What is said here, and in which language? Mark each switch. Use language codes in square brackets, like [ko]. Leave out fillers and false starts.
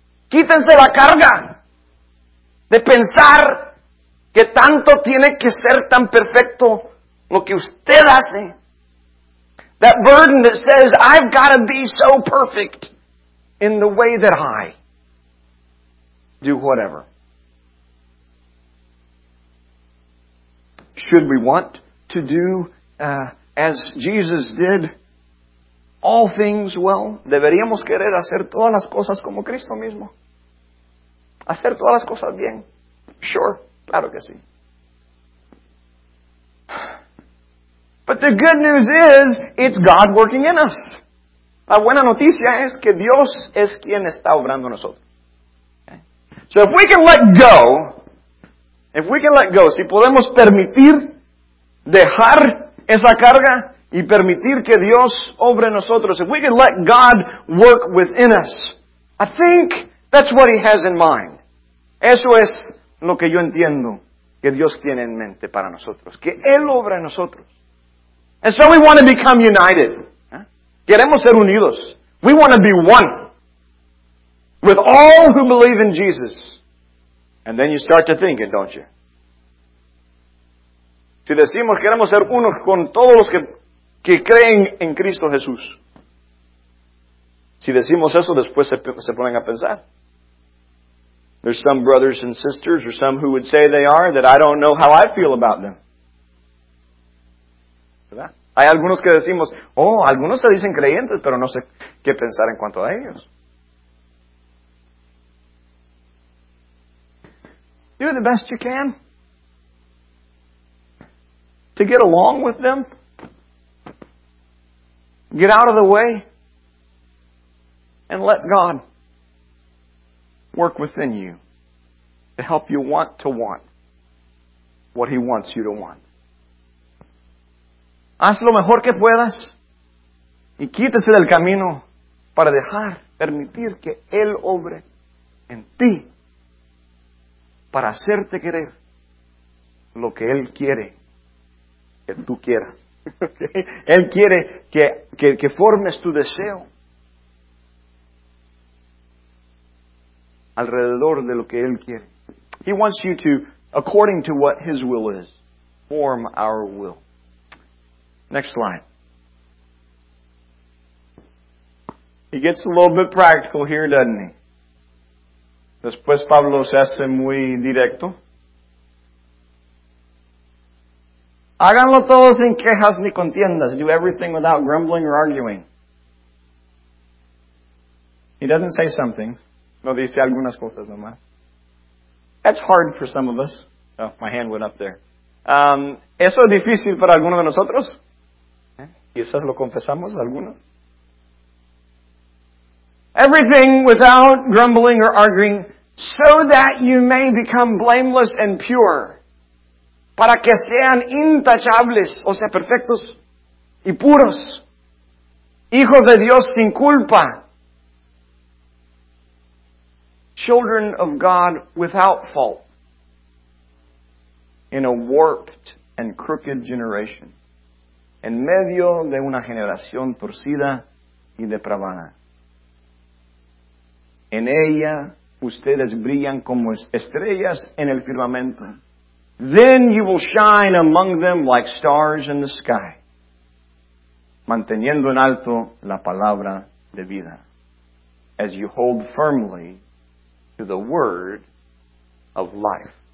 [es] Quítense la carga de pensar que tanto tiene que ser tan perfecto lo que usted hace. [en] That burden that says, I've got to be so perfect in the way that I do whatever. Should we want to do as Jesus did all things well? [es] Deberíamos querer hacer todas las cosas como Cristo mismo. Hacer todas las cosas bien. [en] Sure, [es] claro que sí. [en] But the good news is, it's God working in us. [es] La buena noticia es que Dios es quien está obrando nosotros. [en] Okay? So if we can let go, if we can let go, [es] si podemos permitir dejar esa carga y permitir que Dios obre en nosotros, [en] if we can let God work within us, I think that's what He has in mind. [es] Eso es lo que yo entiendo que Dios tiene en mente para nosotros. Que Él obra en nosotros. [en] And so we want to become united. [es] Queremos ser unidos. [en] We want to be one with all who believe in Jesus. And then you start to think it, don't you? [es] Si decimos queremos ser unos con todos los que creen en Cristo Jesús. Si decimos eso, después se ponen a pensar. [en] There's some brothers and sisters, or some who would say they are, that I don't know how I feel about them. [es] ¿Verdad? Hay algunos que decimos, oh, algunos se dicen creyentes, pero no sé qué pensar en cuanto a ellos. [en] Do the best you can to get along with them. Get out of the way and let God work within you to help you want to want what He wants you to want. [es] Haz lo mejor que puedas y quítese del camino para dejar, permitir que Él obre en ti para hacerte querer lo que Él quiere que tú quieras. Él quiere que formes tu deseo alrededor de lo que Él quiere. [en] He wants you to, according to what His will is, form our will. Next slide. He gets a little bit practical here, doesn't he? [es] Después Pablo se hace muy directo. Háganlo todo sin quejas ni contiendas. [en] Do everything without grumbling or arguing. He doesn't say some things. [es] No, dice algunas cosas nomás. [en] That's hard for some of us. Oh, my hand went up there. [es] ¿Eso es difícil para alguno de nosotros? Quizás lo confesamos algunos. [en] Everything without grumbling or arguing, so that you may become blameless and pure. [es] Para que sean intachables, o sea, perfectos y puros. Hijos de Dios sin culpa. [en] Children of God without fault in a warped and crooked generation, [es] en medio de una generación torcida y depravada. En ella ustedes brillan como estrellas en el firmamento. [en] Then you will shine among them like stars in the sky. [es] Manteniendo en alto la palabra de vida. [en] As you hold firmly to the word of life.